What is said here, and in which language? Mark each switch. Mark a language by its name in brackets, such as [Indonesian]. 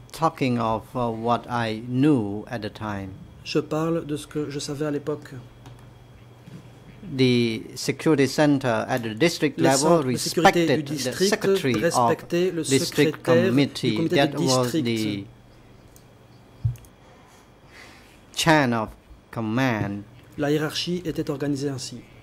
[English] Talking of what I knew at the time. [French] Je parle de ce que je savais à l'époque. [English] The security center at the district level respected the secretary of the district committee. That was the chain of command. [French] La hiérarchie était organisée ainsi.